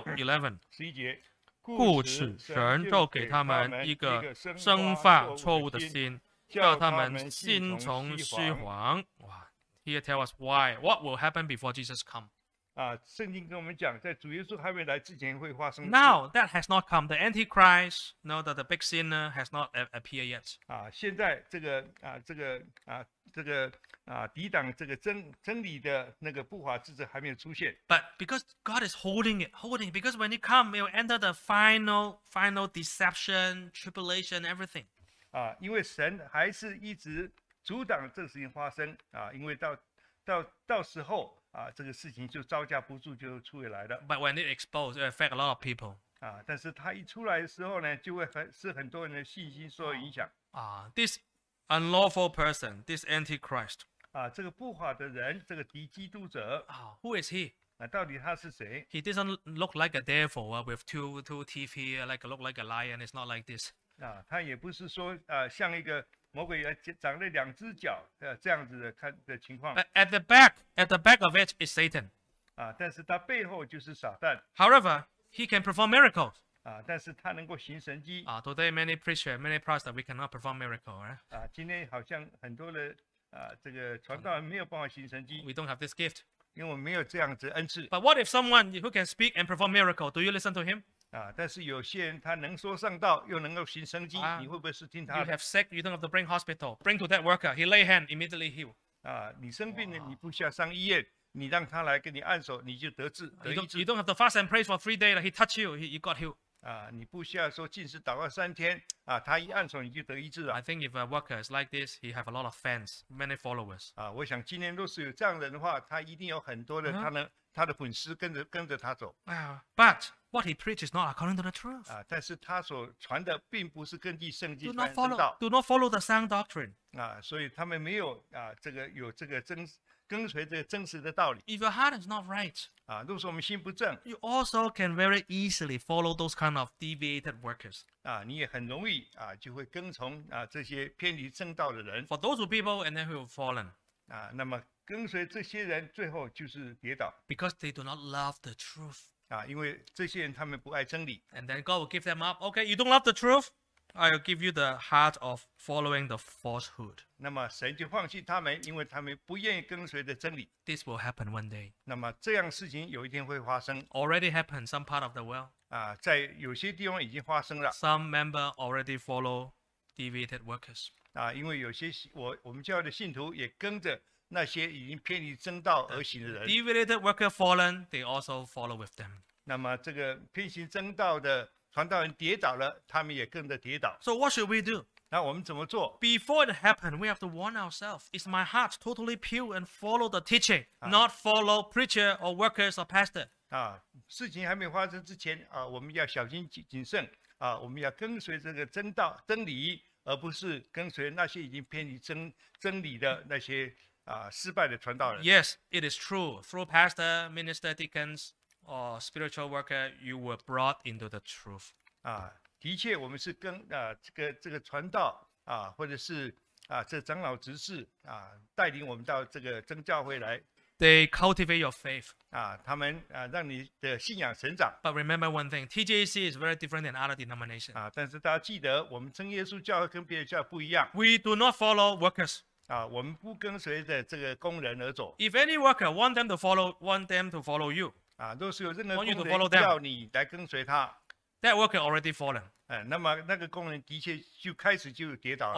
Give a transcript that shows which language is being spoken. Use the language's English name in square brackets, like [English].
[Chinese] 11 故此神就给他们一个生发错误的心，叫他们心从虚谎。 [English] 哇 ，Here tell us why what will happen before Jesus come？ [Chinese] 啊，圣经跟我们讲，在主耶稣还没来之前会发生。 [English] Now that has not come, the Antichrist, know that the big sinner has not appeared yet。 [Chinese] 啊，现在这个啊，这个啊，这个。啊，抵挡这个真理的那个不法之者还没有出现。 [English] But because God is holding it, because when it comes, it will enter the final deception, tribulation, everything. [Chinese] 啊，因为神还是一直阻挡这个事情发生啊，因为到时候啊，这个事情就招架不住就出来了。 [English] But when it exposed, it affect a lot of people. [Chinese] 啊，但是他一出来的时候呢，就会是很多人的信心受影响。 [English] 啊 ，this。Unlawful person, this antichrist. [Chinese] 啊，这个不法的人，这个敌基督者。 [English] Who is he? [Chinese] 啊，到底他是谁 [English] ？He doesn't look like a devil, with two teeth here, like look like a lion. It's not like this. [Chinese] 啊，他也不是说啊，像一个魔鬼长了两只脚这样子的看的情况。 [English] At the back of it is Satan. [Chinese] 啊，但是他背后就是撒旦。 [English] However, he can perform miracles. [Chinese] 啊，但是他能够行神迹。 [English] Today many preachers, many pastors, we cannot perform miracle. [Chinese] 啊，今天好像很多的啊，这个传道没有办法行神迹。 [English] We don't have this gift. [Chinese] 因为我们没有这样子恩赐。 [English] But what if someone who can speak and perform miracle, do you listen to him? [Chinese] 啊，但是有些人他能说上道又能够行神迹，你会不会是听他的 [English] ？You have sick, you don't have to bring hospital. Bring to that worker. He lay hand immediately heal. [Chinese] 啊，你生病了，你不需要上医院。你让他来给你按手，你就得治。 [English] You don't have to fast and pray for three days. He touch you, you got healed. [Chinese] 啊，你不需要说禁食祷告三天啊，他一按手你就得医治了。 [English] I think if a worker is like this, he have a lot of fans, many followers. [Chinese] 啊，我想今天若是有这样的人的话，他一定有很多的他的粉丝跟着他走。 [English] But what he preaches not according to the truth. [Chinese] 啊，但是他所传的并不是根据圣经传道。 [English] Do not follow the sound doctrine. [Chinese] 啊，所以他们没有啊，这个有这个真。跟随着真实的道理。 [English] If your heart is not right, [Chinese] 啊，若是我们心不正 [English] ，you also can very easily follow those kind of deviated workers. [Chinese] 啊，你也很容易啊，就会跟从啊这些偏离正道的人。 [English] For those people, and then who have fallen. [Chinese] 啊，那么跟随这些人，最后就是跌倒。 [English] Because they do not love the truth. [Chinese] 啊，因为这些人他们不爱真理。 [English] And then God will give them up. Okay, you don't love the truth. I'll give you the heart of following the falsehood. [Chinese] 那么神就放弃他们，因为他们不愿意跟随的真理。 [English] This will happen one day. [Chinese] 那么这样事情有一天会发生。 [English] Already happened some part of the world. [Chinese] 啊，在有些地方已经发生了。 [English] Some member already follow deviated workers. [Chinese] 啊，因为有些我们教会的信徒也跟着那些已经偏离正道而行的人。 [English] Deviated worker fallen, they also follow with them. [Chinese] 那么这个偏行正道的传道人跌倒了，他们也跟着跌倒。 [English] So what should we do? [Chinese] 那我们怎么做 [English] ？Before it happened, we have to warn ourselves. Is my heart totally pure and follow the teaching, not follow preacher or workers or pastor? [Chinese] 啊，事情还没发生之前啊，我们要小心谨慎啊，我们要跟随这个真道真理，而不是跟随那些已经偏离真理的那些啊失败的传道人。 [English] Yes, it is true. Through pastor, minister, deacons, or spiritual worker, you were brought into the truth. [Chinese] 啊，的确，我们是跟这个传道啊，或者是啊这长老执事啊带领我们到这个真教会来。 [English] They cultivate your faith. [Chinese] 啊，他们啊让你的信仰成长。 [English] But remember one thing, TJC is very different than other denomination. [Chinese] 啊，但是大家记得，我们真耶稣教会跟别的教会不一样。 [English] We do not follow workers. [Chinese] 啊，我们不跟随着这个工人而走。 [English] If any worker want them to follow, want them to follow you. [Chinese] 啊，若是有任何工人要你来跟随他。 [English] That worker already fallen. [Chinese] 那么那个工人的确就开始就跌倒了。